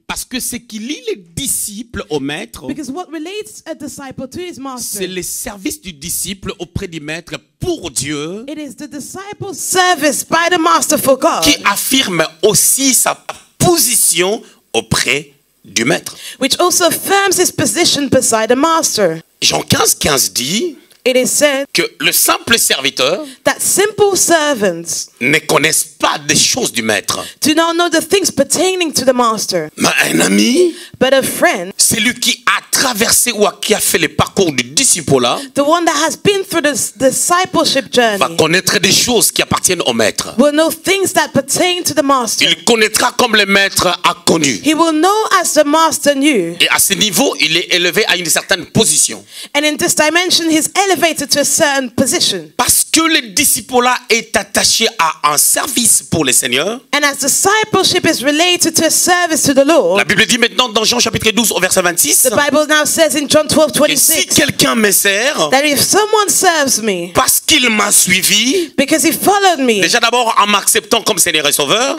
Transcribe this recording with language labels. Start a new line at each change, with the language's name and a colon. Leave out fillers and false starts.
French: Parce que ce qui lie les disciples au maître,
English: because what relates a disciple to his master,
French: c'est le service du disciple auprès du maître pour Dieu,
English: it is the disciple's service by the master for God,
French: qui affirme aussi sa position auprès du maître.
English: Which also affirms his position beside the master.
French: Jean 15:15 dit,
English: it is said
French: que le simple serviteur,
English: that simple servants,
French: ne connaissent pas des choses du maître.
English: Do not know the things pertaining to the master.
French: Mais un ami,
English: but a friend,
French: celui qui a traversé ou qui a fait le parcours du discipolat,
English: the one that has been through the discipleship journey,
French: va connaître des choses qui appartiennent au maître.
English: Will know things that pertain to the master.
French: Il connaîtra comme le maître a connu.
English: He will know as the master knew.
French: Et à ce niveau, il est élevé à une certaine position.
English: And in this dimension, he's elevated to a certain position.
French: Parce que le discipolat est attaché à un service pour le Seigneur.
English: And as discipleship is related to a service to the Lord.
French: La Bible dit maintenant dans Jean chapitre 12 au verset 26.
English: The Bible now says in John 12:26.
French: Si quelqu'un me sert,
English: that if someone serves me,
French: parce qu'il m'a suivi,
English: because he followed me,
French: déjà d'abord en m'acceptant comme Seigneur et Sauveur,